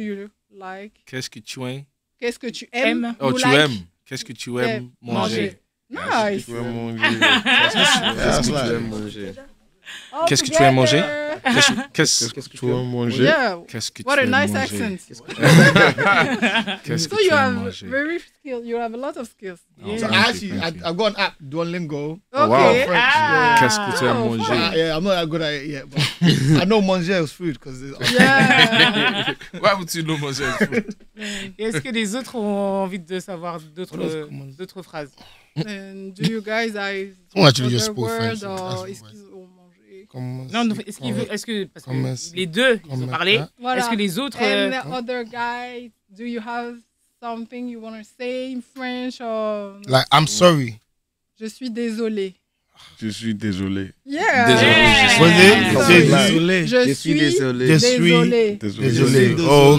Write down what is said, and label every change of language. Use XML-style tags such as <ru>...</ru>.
<en>You have very skills. You have a lot of skills. I've got an app, Duolingo. Okay.</en> <fr>Wow. French, qu'est-ce que tu aimes manger?</fr> <en>Yeah, I'm not that good at it yet, but I know manger is food. Yeah. Why would you know manger is food?</en> <fr>Est-ce que les autres ont envie de savoir d'autres phrases?</fr> <en>And do you guys have actually just spoke French?</en> <fr>Non, donc est-ce que les deux ont parlé, est-ce que les autres</fr> <en>and the other guy, do you have something you want to say in French or like I'm sorry?</en> <fr>Je suis désolé. Je suis désolé.</fr> <en>Yeah. Désolé. Oh, okay.</en>